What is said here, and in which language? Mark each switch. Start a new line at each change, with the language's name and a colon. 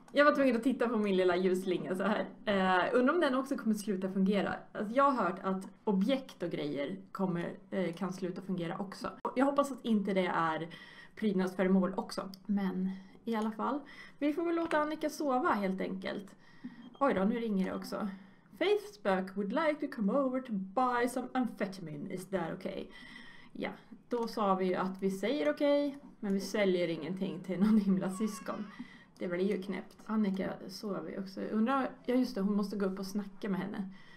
Swedish: Jag var tvungen att titta på min lilla ljuslinga så här. Undrar om den också kommer sluta fungera. Alltså, jag har hört att objekt och grejer kan sluta fungera också. Jag hoppas att inte det är prydnadsföremål också. Men i alla fall. Vi får väl låta Annika sova helt enkelt. Oj då, nu ringer det också.
English: Facebook would like to come over to buy some amphetamine. Is that okay?
Swedish: Ja, då sa vi ju att vi säger okej. Okay. Men vi säljer ingenting till någon himla syskon. Det blir ju knäppt. Annika sover ju också. Undrar, ja just det, hon måste gå upp och snacka med henne.